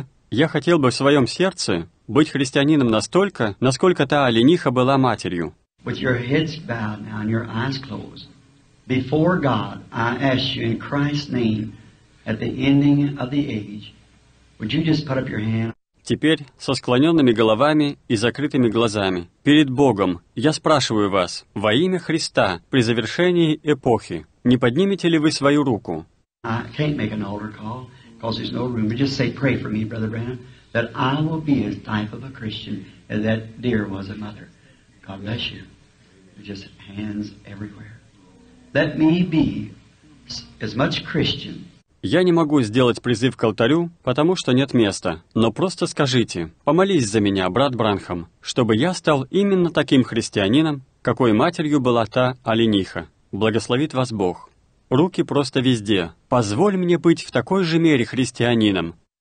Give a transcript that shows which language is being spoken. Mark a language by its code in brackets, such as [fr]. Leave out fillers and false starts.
[ru] Я хотел бы в своем сердце быть христианином настолько, насколько та олениха была матерью. [en] With your heads bowed now and your eyes closed, before God, I ask you in Christ's name, at the ending of the age, would you just put up your hand? [ru] Теперь со склоненными головами и закрытыми глазами перед Богом я спрашиваю вас во имя Христа при завершении эпохи не поднимете ли вы свою руку? [en] I can't make an altar call because there's no room. But just say pray for me, Brother Branham, that I will be as type of a Christian as that deer was a mother. God bless you. Just hands everywhere. Let me be as much Christian. [ru] Я не могу сделать призыв к алтарю, потому что нет места. Но просто скажите, помолись за меня, брат Бранхам, чтобы я стал именно таким христианином, какой матерью была та олениха. Благословит вас Бог. Руки просто везде. Позволь мне быть в такой же мере христианином.